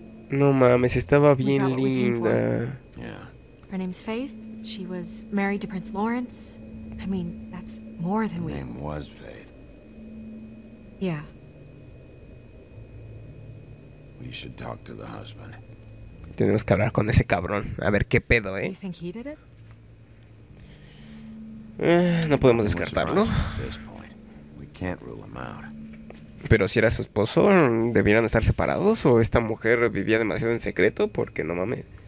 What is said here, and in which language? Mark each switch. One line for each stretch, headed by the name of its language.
Spanish: No mames, estaba bien linda.
English: Yeah. Her name's Faith. She was married to Prince Lawrence. I mean, that's more than her we... Her name was Faith. Yeah. We should talk to the husband.
Spanish: Tenemos que hablar con ese cabrón. A ver qué pedo, ¿eh?
English: You think he did it?
Spanish: No podemos descartarlo.
English: We can't rule him out.
Spanish: Pero si era su esposo, ¿debieran estar separados? ¿O esta mujer vivía demasiado en secreto? Porque no mames.